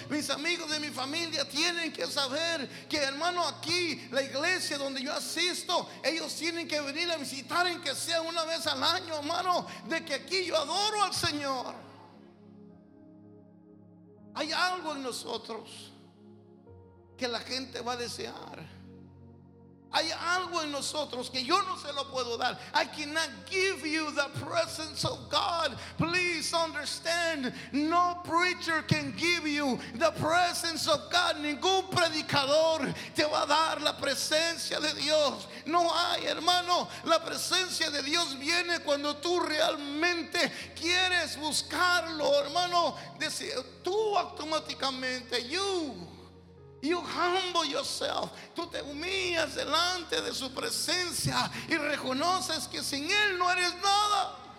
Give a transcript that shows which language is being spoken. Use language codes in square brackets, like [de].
[es] Mis amigos de mi familia tienen que saber que, hermano, aquí, la iglesia donde yo asisto, ellos tienen que venir a visitar, en que sea una vez al año, hermano, de que aquí yo adoro al Señor. Hay algo en nosotros que la gente va a desear. Hay algo en nosotros que yo no se lo puedo dar. [en] I cannot give you the presence of God. Please understand, no preacher can give you the presence of God. [es] Ningún predicador te va a dar la presencia de Dios. No hay, hermano. La presencia de Dios viene cuando tú realmente quieres buscarlo, hermano. Tú automáticamente, [en] you humble yourself, [es] tú te humillas delante de su presencia y reconoces que sin él no eres nada.